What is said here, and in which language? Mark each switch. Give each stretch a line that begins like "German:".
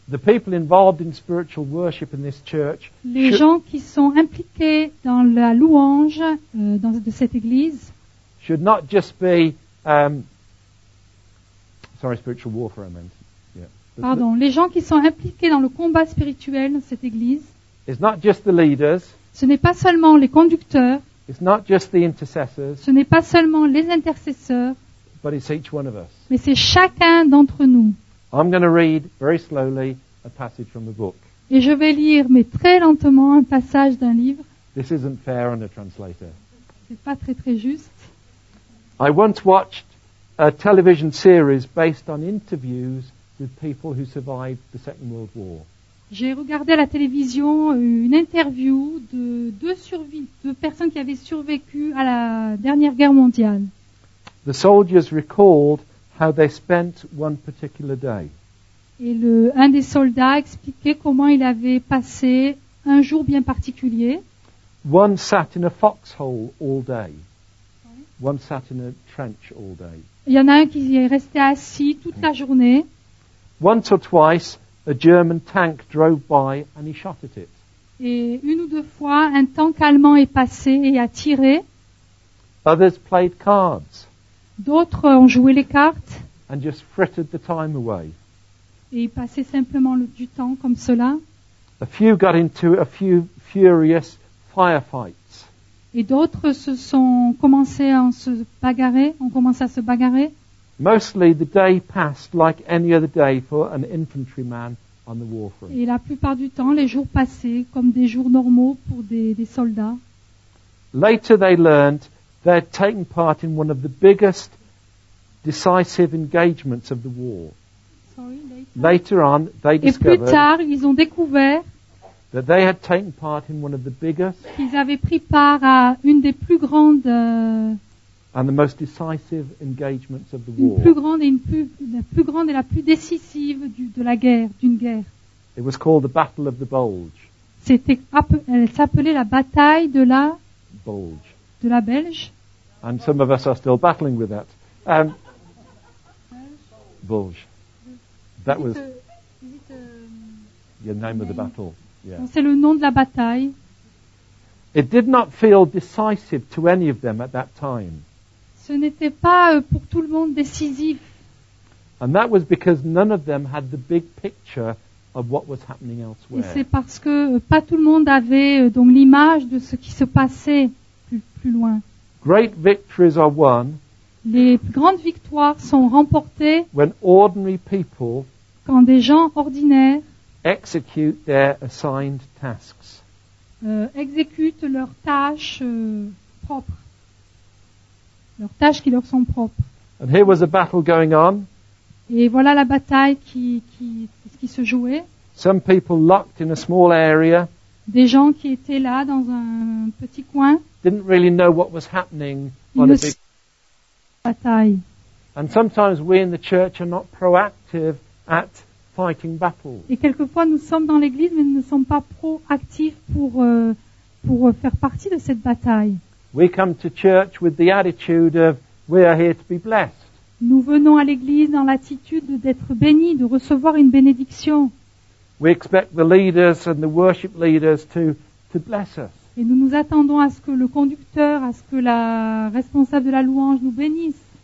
English: The people involved in spiritual worship in this church,
French: les gens qui sont impliqués dans la louange de cette église,
English: should not just be spiritual warfare, I meant. Yeah.
French: Pardon, les gens qui sont impliqués dans le combat spirituel de cette église,
English: it's not just the leaders,
French: ce n'est pas seulement les conducteurs,
English: it's not just the intercessors,
French: ce n'est pas seulement les intercesseurs,
English: but it's each one of us.
French: Mais c'est chacun d'entre nous.
English: I'm going to read very slowly a passage from the book.
French: Et je vais lire, mais très lentement, un passage d'un livre.
English: This isn't fair on a translator.
French: C'est pas très très juste.
English: I once watched a television series based on interviews with people who survived the Second World War.
French: J'ai regardé à la télévision une interview de deux personnes qui avaient survécu à la dernière guerre mondiale.
English: The soldiers recalled how they spent one particular day.
French: Et un des soldats expliquait comment il avait passé un jour bien particulier.
English: One sat in a foxhole all day. One sat in a trench all day.
French: Il y en a un qui est resté assis toute la journée.
English: Once or twice, a German tank drove by and he shot at it.
French: Et une ou deux fois, un tank allemand est passé et a tiré.
English: Others played cards.
French: D'autres ont joué les cartes.
English: And just frittered the time away.
French: Et ils passaient simplement du temps comme cela.
English: A few got into a few furious firefights.
French: Et d'autres se sont commencés à se bagarrer, ont commencé à se bagarrer.
English: Mostly the day passed like any other day for an infantryman on the war front.
French: Et la plupart du temps, les jours passaient comme des jours normaux pour des soldats.
English: Later they learned they'd taken part in one of the biggest decisive engagements of the war. Later on, they discovered
French: plus tard, ils ont découvert
English: that they had taken part in one of the biggest
French: qu'ils avaient pris part à une des plus grandes
English: and the most decisive engagements of the war.
French: Une plus grande et la plus grande et la plus décisive d'une guerre.
English: It was called the Battle of the Bulge.
French: Elle s'appelait la bataille de la
English: Bulge.
French: De la Belge.
English: And some of us are still battling with that. Bulge. That was the name of the battle. Yeah.
French: C'est le nom de la bataille.
English: It did not feel decisive to any of them at that time.
French: Ce n'était pas pour tout le monde décisif.
English: And that was because none of them had the big picture of what was happening elsewhere.
French: Et c'est parce que pas tout le monde avait donc l'image de ce qui se passait plus loin.
English: Great victories are won.
French: Les grandes victoires sont remportées
English: when ordinary people
French: quand des gens ordinaires
English: execute their assigned tasks.
French: Exécutent leurs tâches propres. Leurs tâches qui leur sont propres.
English: And here was a battle going on.
French: Et voilà la bataille qui se jouait.
English: Some people locked in a small area.
French: Des gens qui étaient là dans un petit coin.
English: Didn't really know what was happening on a big
French: bataille.
English: And sometimes we in the church are not proactive at fighting battles.
French: Et quelquefois nous sommes dans l'église mais nous ne sommes pas proactifs pour faire partie de cette bataille.
English: We come to church with the attitude of we are here to be blessed.
French: Nous venons à l'église dans l'attitude d'être bénis, de recevoir une bénédiction.
English: We expect the leaders and the worship leaders to bless us.
French: Et nous nous attendons à ce que le conducteur, à ce que la responsable de la louange nous bénisse.